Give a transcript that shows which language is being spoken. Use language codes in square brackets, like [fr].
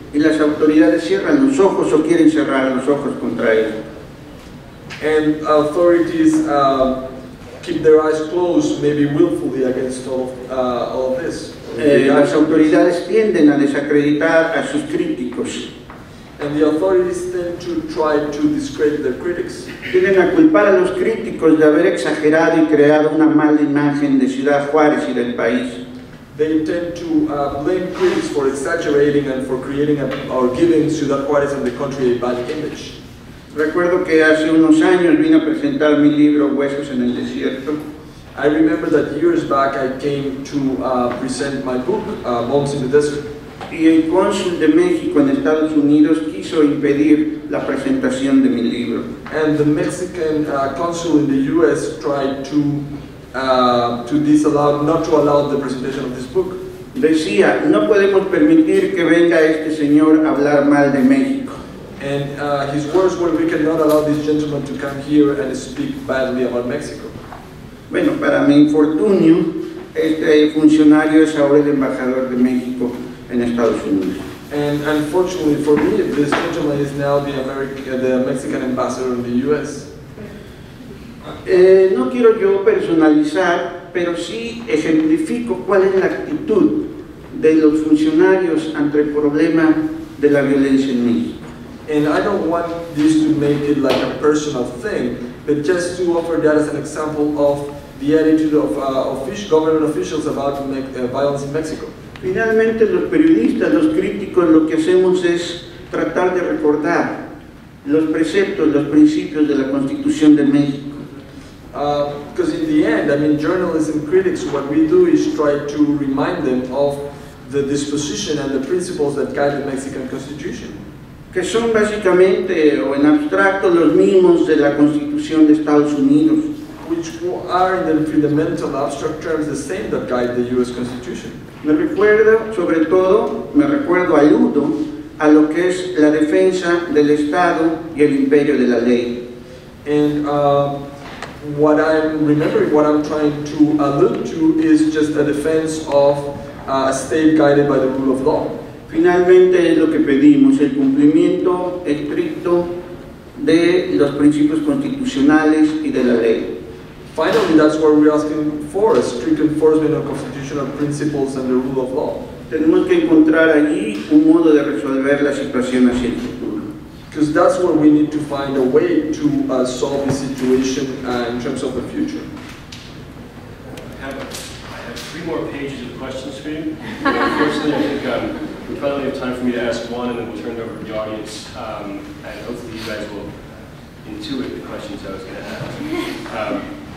[es] Y las autoridades cierran los ojos o quieren cerrar los ojos contra ellos. [en] And authorities keep their eyes closed, maybe willfully, against all this. [es] Las autoridades tienden a desacreditar a sus críticos. [en] And the authorities tend to try to discredit their critics. [es] Tienden a culpar a los críticos de haber exagerado y creado una mala imagen de Ciudad Juárez y del país. [en] They intend to blame critics for exaggerating and for creating or giving Ciudad Juárez and the country a bad image. [es] Recuerdo que hace unos años vine a presentar mi libro Huesos en el Desierto. [en] I remember that years back I came to present my book, Bones in the Desert. [es] Y el cónsul de México en Estados Unidos quiso impedir la presentación de mi libro. [en] And the Mexican consul in the U.S. tried to not allow the presentation of this book. [es] Decía, no podemos permitir que venga este señor a hablar mal de México. [en] And his words were, we cannot allow this gentleman to come here and speak badly about Mexico. [es] Bueno, para mi infortunio, este funcionario es ahora el embajador de México en Estados Unidos. [en] And unfortunately for me, this gentleman is now the Mexican ambassador in the U.S. [es] No quiero yo personalizar, pero sí ejemplifico cuál es la actitud de los funcionarios ante el problema de la violencia en México. [en] And I don't want this to make it like a personal thing, but just to offer that as an example of the attitude of government officials about violence in Mexico. [es] Finalmente, los periodistas, los críticos, lo que hacemos es tratar de recordar los preceptos, los principios de la Constitución de México. [en] Because in the end, I mean, journalists and critics, what we do is try to remind them of the disposition and the principles that guide the Mexican Constitution. [es] Que son básicamente, o en abstracto, los mismos de la Constitución de Estados Unidos. [en] Which are, in the fundamental abstract terms, the same that guide the U.S. Constitution. [es] Me recuerdo, sobre todo, me recuerdo, aludo, a lo que es la defensa del Estado y el imperio de la ley. [en] And what I'm remembering, what I'm trying to allude to, is just a defense of a state guided by the rule of law. [es] Finalmente es lo que pedimos, el cumplimiento estricto de los principios constitucionales y de la ley. [en] Finally, that's what we're asking for, a strict enforcement of constitutional principles and the rule of law. [es] Tenemos que encontrar allí un modo de resolver la situación hacia el futuro. [en] Because that's where we need to find a way to solve the situation in terms of the future. I have three more pages of questions for you. Unfortunately, I think we finally have time for me to ask one, and then we'll turn it over to the audience. And hopefully you guys will intuit the questions I was going to ask.